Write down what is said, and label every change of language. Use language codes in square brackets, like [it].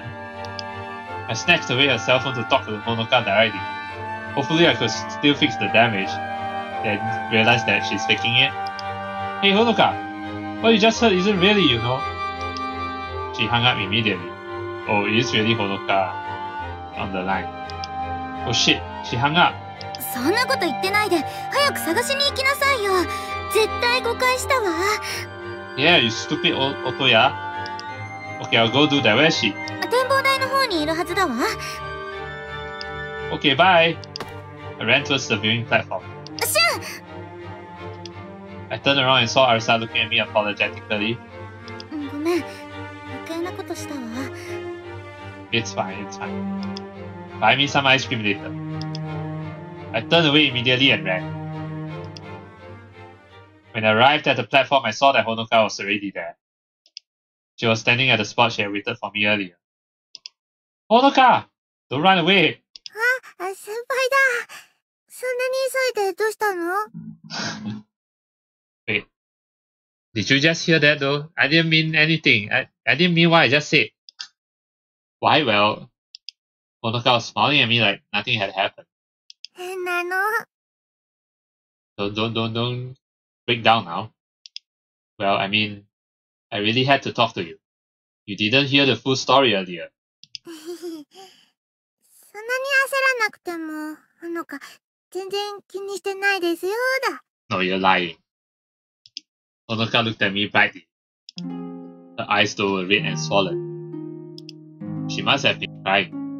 [en] I snatched away her cell phone to talk to Honoka directly. Hopefully I could still fix the damage. Then realize that she's faking it. Hey Honoka! What you just heard isn't really, you know? She hung up immediately. Oh, it is really Honoka on the line. Oh shit, she hung up. [ja] そんなこと言ってないで、早く探しに行きなさいよ。絶対誤解したわ。 [en] Yeah, you stupid Otoya. Okay, I'll go do that. Where is she? [ja] 展望台の方にいるはずだわ。 [en] Okay, bye. I ran towards the viewing platform. [ja] シュン! [en] I turned around and saw Arisa looking at me apologetically. [ja] ごめん、余計なことしたわ。 [en] It's fine, it's fine. Buy me some ice cream later. I turned away immediately and ran. When I arrived at the platform, I saw that Honoka was already there. She was standing at the spot she had waited for me earlier. Honoka! Don't run away! [ja] あ、先輩だ。そんなに急いでどうしたの? [en] Wait. Did you just hear that though? I didn't mean anything. I didn't mean what I just said. Why well? Honoka was smiling at me like nothing had happened. [ja] 変なの? [en] Don't break down now. Well, I mean, I really had to talk to you. You didn't hear the full story earlier. [ja] そんなに焦らなくても、ほのか、全然気にしてないですよだ。 [en] No, you're lying. ほのか looked at me brightly. Her eyes though were red and swollen. She must have been crying.